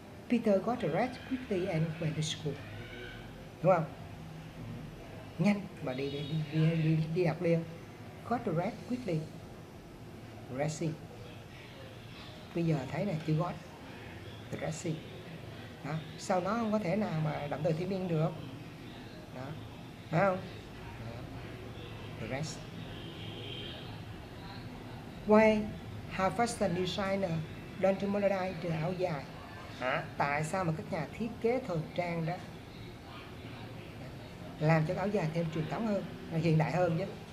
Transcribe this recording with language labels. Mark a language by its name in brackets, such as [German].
[English] Peter got dressed quickly and went to school, [Vietnamese] đúng không? Nhanh mà đi học liền. [English] Got dressed quickly, dressing. [Vietnamese] Bây giờ thấy này, chữ got dressing đó. Sau nó không có thể nào mà động từ thiên nhiên được đó, phải không? [English] Dress. Why have fashion designer don't modernize the áo dài? [Vietnamese] Hả? Tại sao mà các nhà thiết kế thời trang đó làm cho áo dài thêm truyền thống hơn, hiện đại hơn nhé.